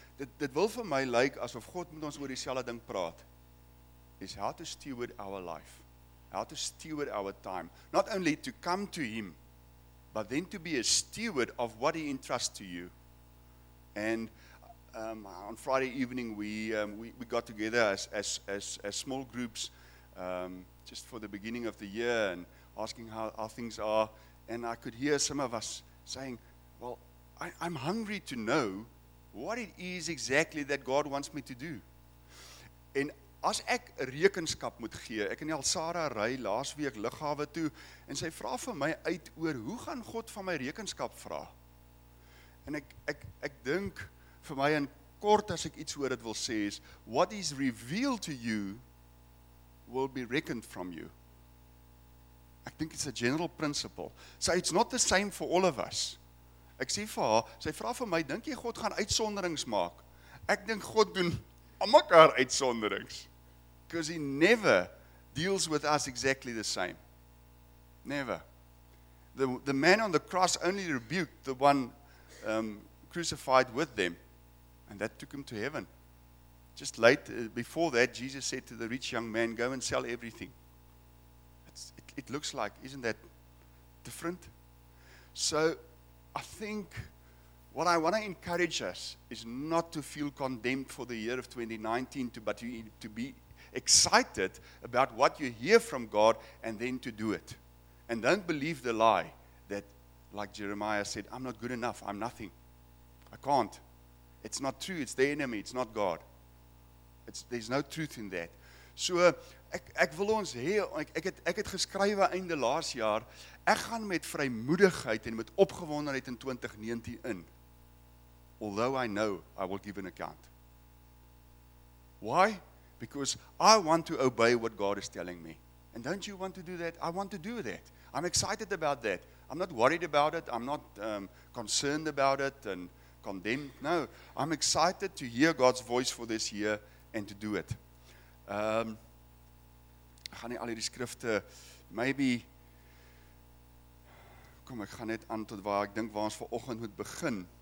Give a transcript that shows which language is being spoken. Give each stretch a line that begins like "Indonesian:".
Afrikaans: Dit wil vir my lyk asof God met ons oor dieselfde ding praat.
English: Is how to steward our life, how to steward our time, not only to come to him, but then to be a steward of what he entrusts to you. And on Friday evening, we got together as small groups, just for the beginning of the year, and asking how things are, and I could hear some of us saying, well, I'm hungry to know what it is exactly that God wants me to do.
Afrikaans: And as ek rekenskap moet gee, ek en Elsara ry laasweek lughawe toe en sy vra vir my uit oor hoe gaan God van my rekenskap vra. En ek dink vir my in kort as ek iets oor dit wil sê is,
English: what is revealed to you will be reckoned from you.
Afrikaans: Ek dink
English: it's a general principle. So it's not the same for all of us.
Afrikaans: Ek sê vir haar, sy vra vir my, dink jy God gaan uitsonderings maak? Ek dink God doen almekaar uitsonderings.
English: Because he never deals with us exactly the same. Never. The man on the cross only rebuked the one crucified with them. And that took him to heaven. Just late, before that, Jesus said to the rich young man, go and sell everything. It looks like, isn't that different? So, I think what I want to encourage us is not to feel condemned for the year of 2019, but to be excited about what you hear from God and then to do it. And don't believe the lie that, like Jeremiah said, I'm not good enough, I'm nothing. I can't. It's not true, it's the enemy, it's not God. There's no truth in that.
Afrikaans: So, ek wil ons heel, ek het geskrywe einde laas jaar, ek gaan met vrymoedigheid en met opgewondenheid in 2019 in.
English: Although I know I will give an account. Why? Because I want to obey what God is telling me. And don't you want to do that? I want to do that. I'm excited about that. I'm not worried about it. I'm not concerned about it and condemned. No, I'm excited to hear God's voice for this year and to do it.
Afrikaans: Gaan nie al hierdie skrifte, maybe, kom ek gaan net aan tot waar ek dink waar ons vanoggend moet begin.